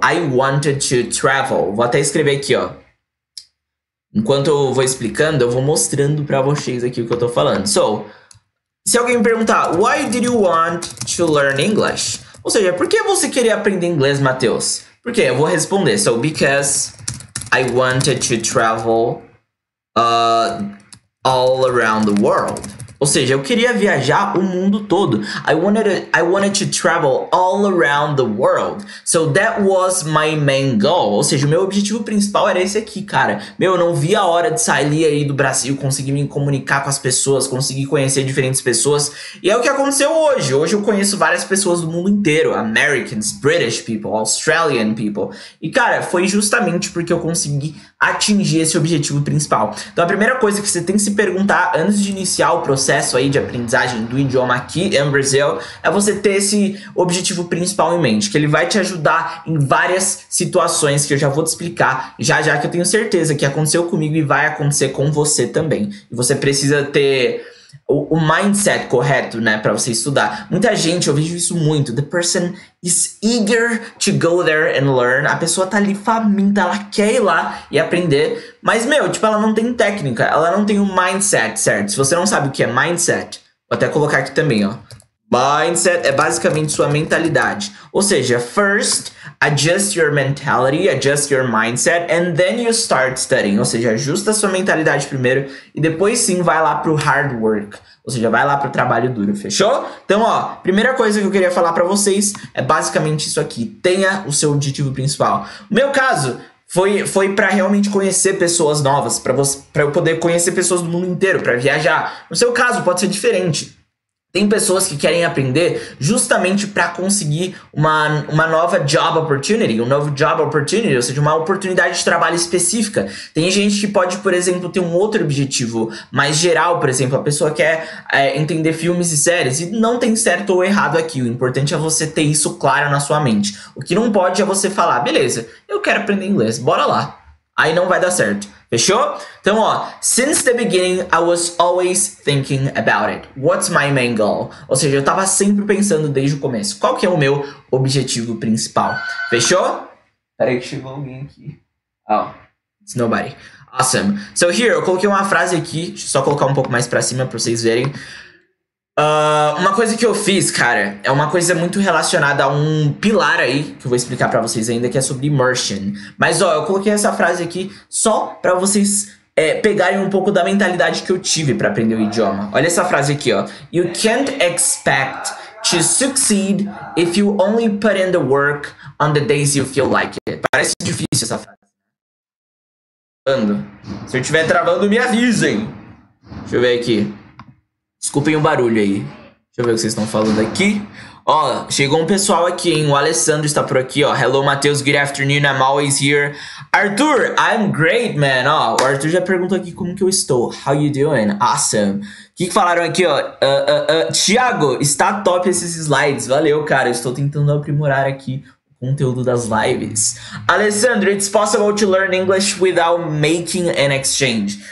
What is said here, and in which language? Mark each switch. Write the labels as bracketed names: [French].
[English] I wanted to travel. [Portuguese] Vou até escrever aqui, ó. Enquanto eu vou explicando, eu vou mostrando para vocês aqui o que eu tô falando. [English] So, [Portuguese] se alguém me perguntar, [English] why did you want to learn English? [Portuguese] Ou seja, por que você queria aprender inglês, Matheus? Por quê? Eu vou responder. [English] So, because I wanted to travel all around the world. [Portuguese] Ou seja, eu queria viajar o mundo todo. [English] I wanted to travel all around the world. So that was my main goal. [Portuguese] Ou seja, o meu objetivo principal era esse aqui, cara. Meu, eu não vi a hora de sair aí do Brasil, conseguir me comunicar com as pessoas, conseguir conhecer diferentes pessoas. E é o que aconteceu hoje. Hoje eu conheço várias pessoas do mundo inteiro. [English] Americans, British people, Australian people. [Portuguese] E, cara, foi justamente porque eu consegui atingir esse objetivo principal. Então, a primeira coisa que você tem que se perguntar antes de iniciar o processo aí de aprendizagem do idioma aqui em Brasil é você ter esse objetivo principal em mente, que ele vai te ajudar em várias situações que eu já vou te explicar já já, que eu tenho certeza que aconteceu comigo e vai acontecer com você também. E você precisa ter o mindset correto, né, pra você estudar. Muita gente, eu vejo isso muito, [English] the person is eager to go there and learn. [Portuguese] A pessoa tá ali faminta, ela quer ir lá e aprender, mas, meu, tipo, ela não tem técnica, ela não tem o mindset, certo? Se você não sabe o que é mindset, vou até colocar aqui também, ó. Mindset é basicamente sua mentalidade. Ou seja, [English] first, adjust your mentality, adjust your mindset, and then you start studying. [Portuguese] Ou seja, ajusta sua mentalidade primeiro e depois sim vai lá pro hard work. Ou seja, vai lá pro trabalho duro, fechou? Então, ó, primeira coisa que eu queria falar pra vocês é basicamente isso aqui. Tenha o seu objetivo principal. No meu caso, foi pra realmente conhecer pessoas novas, pra eu poder conhecer pessoas do mundo inteiro, pra viajar. No seu caso, pode ser diferente. Tem pessoas que querem aprender justamente para conseguir uma nova job opportunity, um novo job opportunity, ou seja, uma oportunidade de trabalho específica. Tem gente que pode, por exemplo, ter um outro objetivo mais geral, por exemplo, a pessoa quer entender filmes e séries, e não tem certo ou errado aqui, o importante é você ter isso claro na sua mente. O que não pode é você falar, beleza, eu quero aprender inglês, bora lá, aí não vai dar certo. Fechou? Então, ó, [English] since the beginning, I was always thinking about it. What's my main goal? [Portuguese] Ou seja, eu tava sempre pensando desde o começo. Qual que é o meu objetivo principal? Fechou? Peraí que chegou alguém aqui. [English] Oh, it's nobody. Awesome. So here, [Portuguese] eu coloquei uma frase aqui. Deixa eu só colocar um pouco mais pra cima pra vocês verem. Uma coisa que eu fiz, cara, é uma coisa muito relacionada a um pilar aí, que eu vou explicar pra vocês ainda, que é sobre immersion. Mas, ó, eu coloquei essa frase aqui só pra vocês pegarem um pouco da mentalidade que eu tive pra aprender o idioma. Olha essa frase aqui, ó. [English] You can't expect to succeed if you only put in the work on the days you feel like it. [Portuguese] Parece difícil essa frase. Se eu estiver travando, me avisem. Deixa eu ver aqui. Desculpem o barulho aí. Deixa eu ver o que vocês estão falando aqui. Ó, chegou um pessoal aqui, hein? O Alessandro está por aqui, ó. [English] Hello, Matheus. Good afternoon. I'm always here. Arthur, I'm great, man. [Portuguese] Ó, o Arthur já perguntou aqui como que eu estou. [English] How you doing? Awesome. [Portuguese] O que falaram aqui, ó? Thiago, está top esses slides. Valeu, cara. Estou tentando aprimorar aqui o conteúdo das lives. [English] Alessandro, it's possible to learn English without making an exchange.